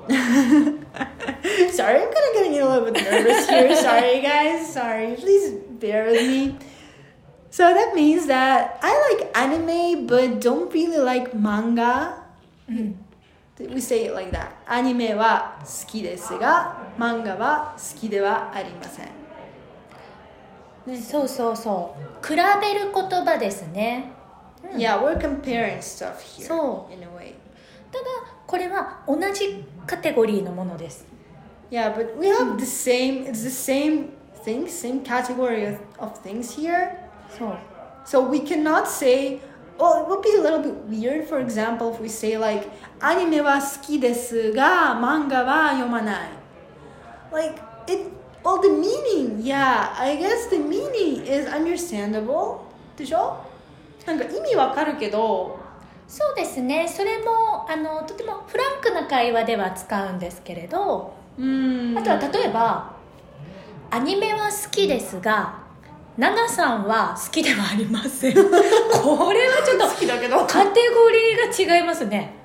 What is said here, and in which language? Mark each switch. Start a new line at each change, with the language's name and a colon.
English: Sorry, I'm kind of getting a little bit nervous here. Sorry, guys. Sorry. Please bear with me. So, that means that I like anime, but don't really like manga. We say it like that.
Japanese: アニメは好きですが、漫画は好きではありません。ね、そうそうそう。比べる言葉ですね。
English: Yeah, we're comparing stuff here.
Japanese: そう。
English: In a way.
Japanese: ただこれは同じカテゴリーのものです。
English: Yeah, but we have the same. It's the same thing, same category of things here.
Japanese: そう。
English: So we cannot say. Well, it would be a little bit weird, for example, if we say like,
Japanese: アニメは好きですが、漫画は読まない。
English: Like, it, well, the meaning, yeah, I guess the meaning is understandable,
Japanese: でしょ？なんか意味わかるけど。そうですね、それもあのとてもフランクな会話では使うんですけれど、あとは例えば、アニメは好きですが、ナナさんは好きではありません。これはちょっとカテゴリーが違いますね。